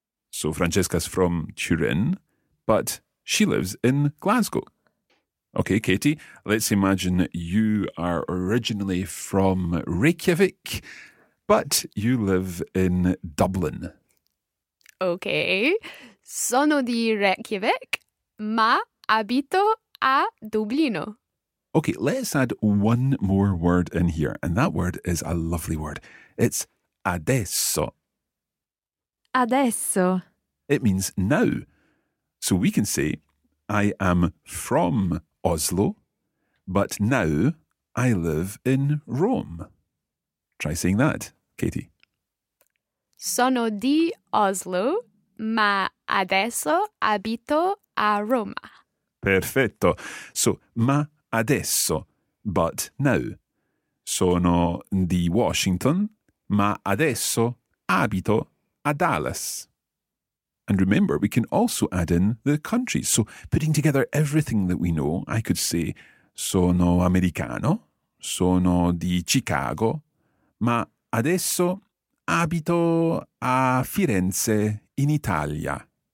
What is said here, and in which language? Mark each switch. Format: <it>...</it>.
<en>So, Francesca's from Turin, but she lives in Glasgow. Okay, Katie, let's imagine you are originally from Reykjavik, but you live in Dublin.</en> <it>Okay, sono di Reykjavik, ma abito a Dublino.</it> <en>Okay, let's add one more word in here, and that word is a lovely word. It's adesso.</en> <it>Adesso.</it> <en>It means now. So we can say, I am from Oslo, but now I live in Rome. Try saying that, Katie.</en> <it>Sono di Oslo, ma adesso abito a Roma. Perfetto.</it> <en>So,</en> <it>ma adesso,</it> <en>but now.</en> <it>Sono di Washington, ma adesso abito a Dallas.</it> <en>And remember, we can also add in the countries. So putting together everything that we know, I could say,</en> <it>sono americano, sono di Chicago, ma adesso abito a Firenze in Italia.</it>